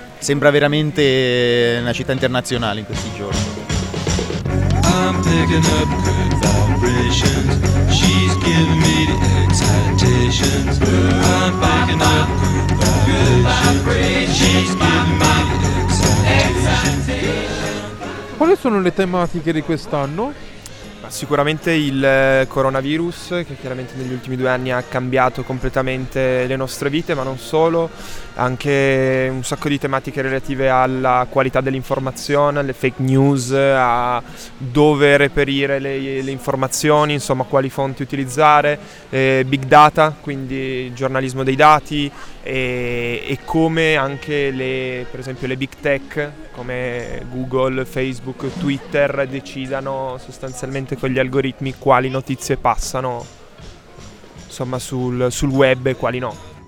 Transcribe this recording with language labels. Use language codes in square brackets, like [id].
[it] sembra veramente una città internazionale in questi giorni. [en] I'm picking up good vibrations, she's giving me the excitations. I'm picking up good vibrations, she's giving me the excitations. [it] Quali sono le tematiche di quest'anno? Sicuramente il coronavirus, che chiaramente negli ultimi 2 anni ha cambiato completamente le nostre vite, ma non solo, anche un sacco di tematiche relative alla qualità dell'informazione, alle fake news, a dove reperire le informazioni, insomma quali fonti utilizzare, big data, quindi giornalismo dei dati, e come anche le, per esempio le big tech come Google, Facebook, Twitter decidano sostanzialmente con gli algoritmi quali notizie passano, insomma, sul web e quali no.